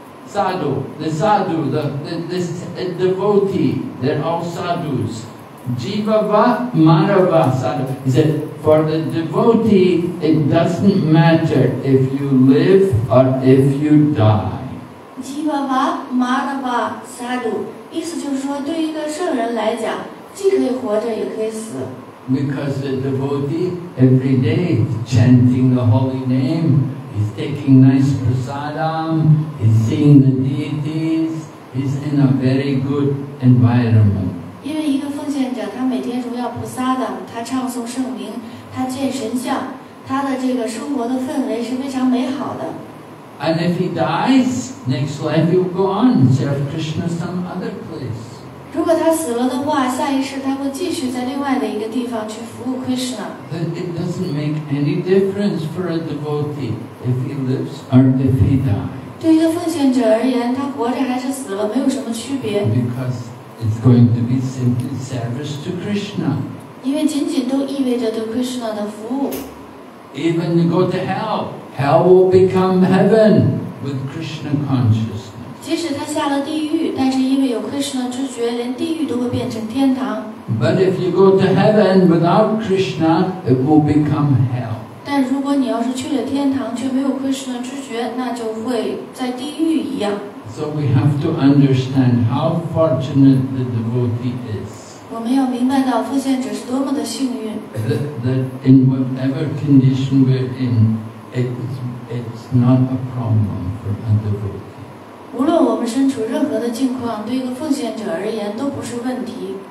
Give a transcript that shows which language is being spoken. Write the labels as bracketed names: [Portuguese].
[English] Sadhu, the sadhu, the devotee, they're all sadhus. [Sanskrit] Jivava Marava Sadhu. [English] He said, for the devotee, it doesn't matter if you live or if you die. [Sanskrit] Jivava Marava Sadhu. [Chinese] 意思就是说，对一个圣人来讲，既可以活着，也可以死。 [English] Because the devotee, every day, chanting the holy name, he's taking nice prasadam, he's seeing the deities, he's in a very good environment. [Chinese] 因为一个奉献者，他每天荣耀菩萨的，他唱诵圣名，他见神像，他的这个生活的氛围是非常美好的。 [English] And if he dies, next life he will go on and serve Krishna some other place. [Chinese] 如果他死了的话，下一世他会继续在另外的一个地方去服务 Krishna。 [English] But it doesn't make any difference for a devotee if he lives or if he dies. [Chinese] 对一个奉献者而言，他活着还是死了没有什么区别。 [English] Because it's going to be simply service to Krishna. [Chinese] 因为仅仅都意味着对 Krishna 的服务。 [English] Even you go to hell, hell will become heaven with Krishna consciousness. [Chinese] 即使他下了地狱，但是因为有 Krishna 知觉，连地狱都会变成天堂。 [English] But if you go to heaven without Krishna, it will become hell. [Chinese] 但如果你要是去了天堂，却没有 Krishna 知觉，那就会在地狱一样。 [English] So we have to understand how fortunate the devotee is. [Chinese] 我们要明白到奉献者是多么的幸运。 [English] That in whatever condition we're in, it's not a problem for a devotee. [Chinese] 无论我们身处任何的境况，对一个奉献者而言都不是问题。